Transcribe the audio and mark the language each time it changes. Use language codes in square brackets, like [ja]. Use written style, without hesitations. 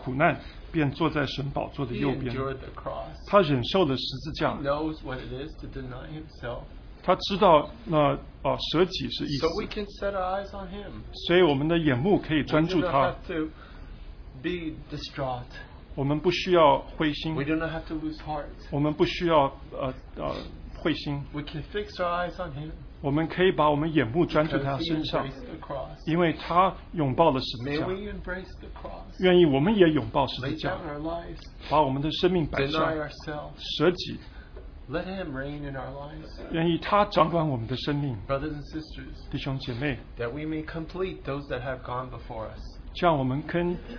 [zh] 他因那摆在前面的喜乐，就轻看羞辱，忍受了十字架的苦难，便坐在神宝座的右边。 [en] He endured the cross. [zh] 他忍受了十字架。 [en] He knows what it is to deny himself. [zh] 他知道那舍己是意思。 [en] So we can set our eyes on him. [zh] 所以我们的眼目可以专注他。 [en] We don't have to be distraught. [zh] 我们不需要灰心, [en] we don't have to lose heart. [zh] 我们不需要, 灰心, [en] we can fix our eyes on him. [zh] 我们可以把我们眼目专注他身上, [en] because he embraced the cross. [zh] 因为他拥抱了十字架, [en] may we embrace the cross. [zh] 愿意我们也拥抱十字架, [en] lay down our lives. [zh] 把我们的生命摆上, [en] deny ourselves. [zh] 舍己, [en] let him reign in our lives. [zh] 愿意他掌管我们的生命, [en] brothers and sisters, [zh] 弟兄姐妹, [en] that we may complete those that have gone before us.